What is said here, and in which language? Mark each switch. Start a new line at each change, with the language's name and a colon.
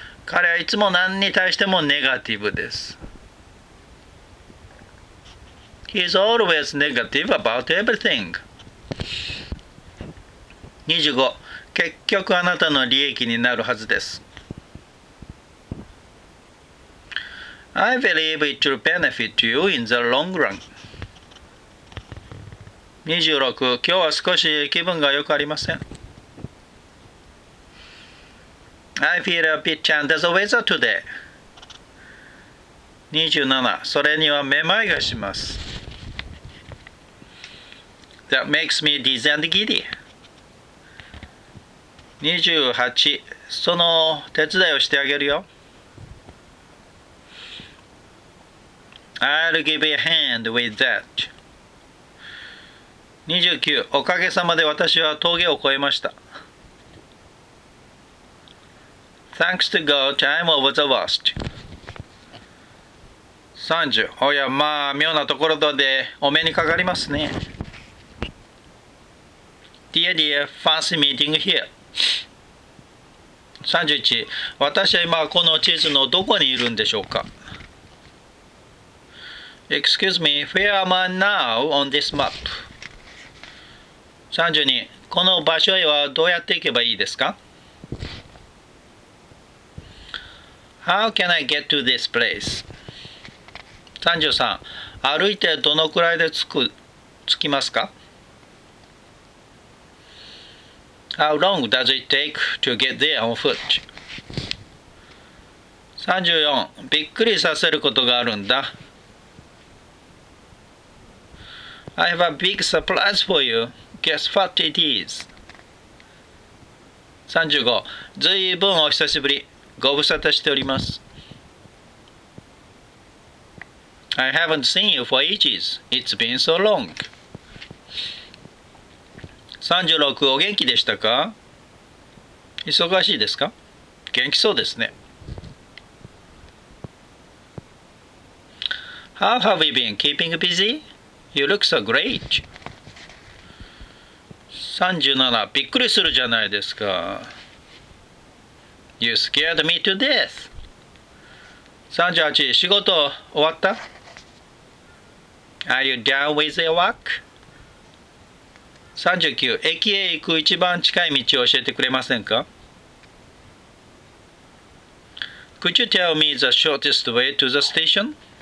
Japanese: 彼はいつも何に対してもネガティブです。
English: He's always negative about everything. 25.
Japanese: 結局あなたの利益になるはずです。
English: I believe it will benefit you in the long run. 26.
Japanese: 今日は少し気分が良くありません。
English: I feel a bit under the weather today. 27.
Japanese: それにはめまいがします。
English: That makes me dizzy and giddy. 28.
Japanese: その手伝いをしてあげるよ。
English: I'll give you a hand with that. 29.
Japanese: おかげさまで私は峠を越えました。
English: Thanks to God, I'm over the worst.
Japanese: 30. おや、まあ、妙なところでお目にかかりますね。
English: Dear, dear, fancy meeting here. 31.
Japanese: 私は今この地図のどこにいるんでしょうか。
English: Excuse me, where am I now on this map? 32.
Japanese: この場所へはどうやって行けばいいですか?
English: How can I get to this place? 33.
Japanese: 歩いてどのくらいで着きますか?
English: How long does it take to get there on foot? 34.
Japanese: びっくりさせることがあるんだ。
English: I have a big surprise for you. Guess what it is? 35.
Japanese: ずいぶんお久しぶり。ご無沙汰しております。
English: I haven't seen you for ages. It's been so long.
Japanese: 36. お元気でしたか?忙しいですか?元気そうですね。
English: How have you been keeping busy? You look so great. 37.
Japanese: びっくりするじゃないですか。
English: You scared me to death. 38.
Japanese: 仕事終わった?
English: Are you done with your work? 39.
Japanese: 駅へ行く一番近い道を教えてくれませんか?
English: Could you tell me the shortest way to the station?